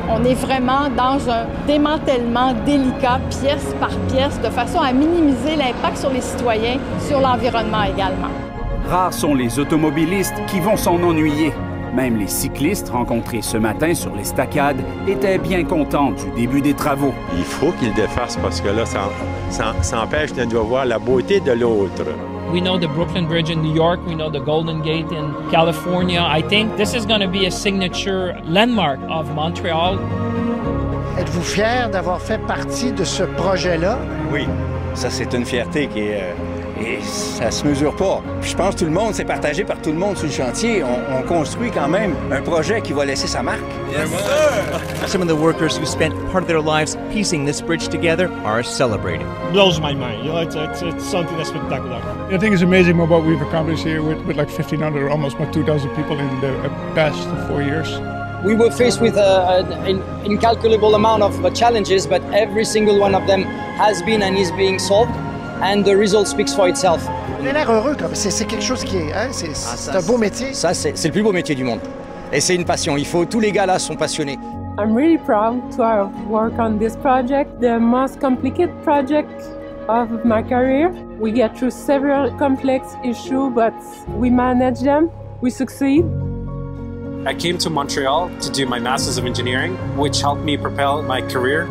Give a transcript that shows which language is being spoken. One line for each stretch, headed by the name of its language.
French: On est vraiment dans un démantèlement délicat, pièce par pièce, de façon à minimiser l'impact sur les citoyens, sur l'environnement également. Rares sont les automobilistes qui vont s'en ennuyer. Même les cyclistes rencontrés ce matin sur l'estacade étaient bien contents du début des travaux. Il faut qu'ils défassent parce que là, ça empêche de voir la beauté de l'autre.
English: We know the Brooklyn Bridge in New York. We know the Golden Gate in California. I think this is going to be a signature landmark of Montreal.
French: Êtes-vous fier d'avoir fait partie de ce projet-là? Oui, ça c'est une fierté qui est... Et ça se mesure pas. Puis je pense que tout le monde, c'est partagé par tout le monde sur le chantier. On construit quand même un projet qui va laisser sa marque.
English: Yes, sir! Some of the workers who spent part of their lives piecing this bridge together are celebrating. It blows my mind. You know, it's something that's spectacular. I think it's amazing what we've accomplished here with like 1,500 or almost like 2,000 people in the past 4 years. We were faced with an incalculable amount of challenges, but every single one of them has been and is being solved. And the result speaks for itself.
French: On a l'air heureux, c'est quelque chose qui est... Hein? C'est un beau métier. Ça, c'est le plus beau métier du monde. Et c'est une passion. Il faut... Tous les gars-là sont passionnés.
English: I'm really proud to have worked on this project, the most complicated project of my career. We get through several complex issues, but we manage them. We succeed. I came to Montreal to do my Master's of Engineering, which helped me propel my career.